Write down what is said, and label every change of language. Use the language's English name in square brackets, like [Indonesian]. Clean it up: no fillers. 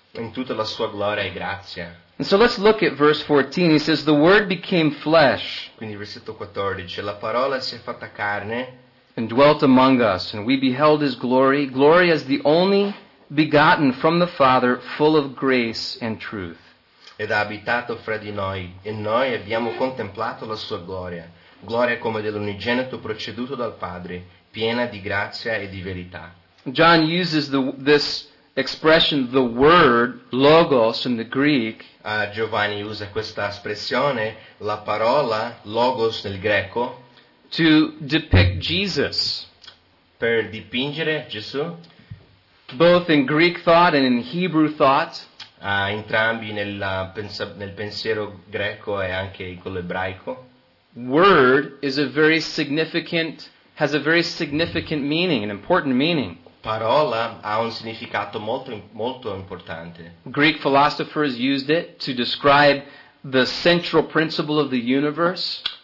[Italian] In tutta la sua gloria e grazia. [English] And so let's look at verse 14. He says, the Word became flesh. [Italian] Quindi versetto 14. La parola si è fatta carne. [English] And dwelt among us, and we beheld his glory, glory as the only begotten from the Father, full of grace and truth. [Italian] Ed ha abitato fra di noi, e noi abbiamo contemplato la sua gloria, gloria come dell'unigenito proceduto dal Padre, piena di grazia e di verità. [English] John uses this expression, the word, logos, in the Greek. [Italian] Giovanni usa questa espressione, la parola, logos, nel greco. [English] To depict Jesus. [Italian] Per dipingere Gesù. [English] Both in Greek thought and in Hebrew thought. [Italian] Entrambi nel pensiero greco e anche in quello ebraico. [English] Word is a very significant, has a very significant meaning, an important meaning. [Italian] Parola ha un significato molto, molto importante. [English] Greek philosophers used it to describe the central principle of the universe.